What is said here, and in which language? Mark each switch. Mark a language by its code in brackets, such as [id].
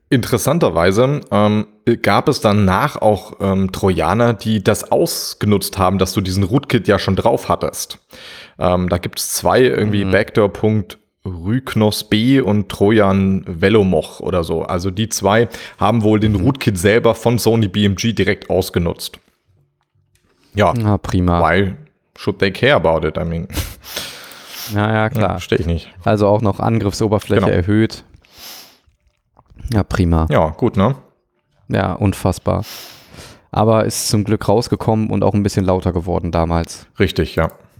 [de] Interessanterweise gab es danach auch Trojaner, die das ausgenutzt haben, dass du diesen Rootkit ja schon drauf hattest. Da gibt es zwei irgendwie Backdoor.rychnos-B und Trojan Velomoch oder so. Also die zwei haben wohl den Rootkit selber von Sony BMG direkt ausgenutzt. Ja. Na, prima. Weil, [en] should they care about it? I mean. [de] Naja, klar. Verstehe ich nicht. Also auch noch Angriffsoberfläche erhöht. Ja, prima. Ja, gut, ne? Ja, unfassbar. Aber ist zum Glück rausgekommen und auch ein bisschen lauter geworden damals. Richtig, ja.